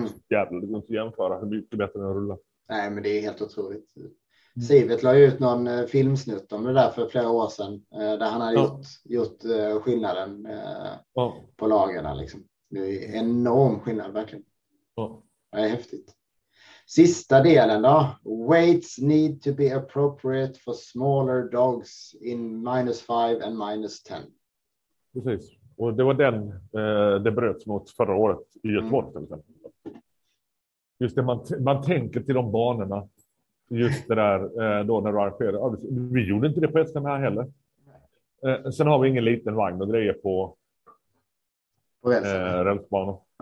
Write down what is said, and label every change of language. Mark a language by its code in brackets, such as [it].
[sv] Jävlar, det går inte att jämföra. Det är mycket bättre än att rulla. Nej, men det är helt otroligt. Sivet la ut någon filmsnutt om det där för flera år sedan. Där han hade gjort skillnaden på lagarna. Liksom. Det är enorm skillnad, verkligen. Det är häftigt. Sista delen då. [en] Weights need to be appropriate for smaller dogs in -5 and -10. [sv] Precis. Och det var den det bröts mot förra året i Göteborg. Mm. Just det, man tänker till de banorna. Just det där då när du arrangerade. Vi gjorde inte det på ett ställe här heller. Sen har vi ingen liten vagn och grejer på rälsbanan.